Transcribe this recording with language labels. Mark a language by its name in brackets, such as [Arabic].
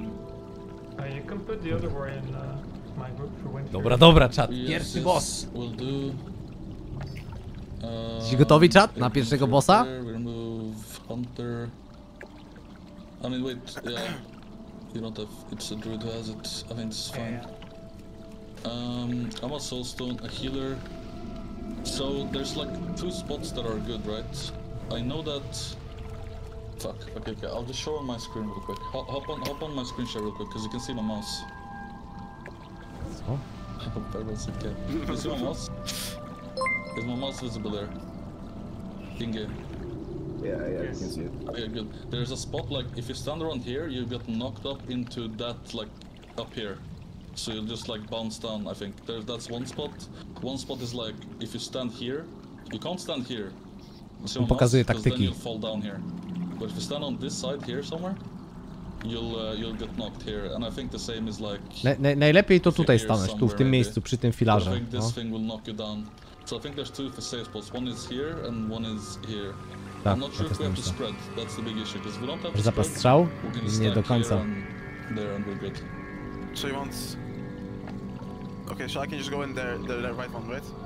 [English] You can put the other one in my group for winter. [Polish] Dobra, dobra, czat, pierwszy boss! [English] We'll do... [Polish] Jesteś gotowi, czat, na pierwszego bossa? [English] Hunter... I mean, wait, you don't have, it's a druid who has it, I mean, it's fine. I'm a soulstone, a healer. So, there's like two spots that are good, right? I know that... Fuck, okay, I'll just show on my screen real quick. Hop on my screen share real quick, because you can see my mouse. Oh? I hope that was okay. You see my mouse? Is my mouse visible there? In game. Yeah, yes. You can see it. Okay, good. There's a spot, like, if you stand around here, you get knocked up into that, like, up here. So you'll just, like, bounce down, I think. That's one spot. One spot is, like, if you stand here, you can't stand here. [Polish] So on pokazuje taktyki. [English] Because then you'll fall down here. But if you stand on this side here somewhere, you'll get knocked here. And I think the same is, like... [Polish] Najlepiej to tutaj stanąć, tu, w tym miejscu, przy tym filarze. [English] I think this thing will knock you down. So I think there's two safe spots. One is here, and one is here. [Polish] Tak, [English] I'm not sure if we have to spread, that's the big issue, because we don't have to spread, [Polish] strzał? Nie do końca. [English] There and we're good. So you want... Okay, so I can just go in there, the right one, right?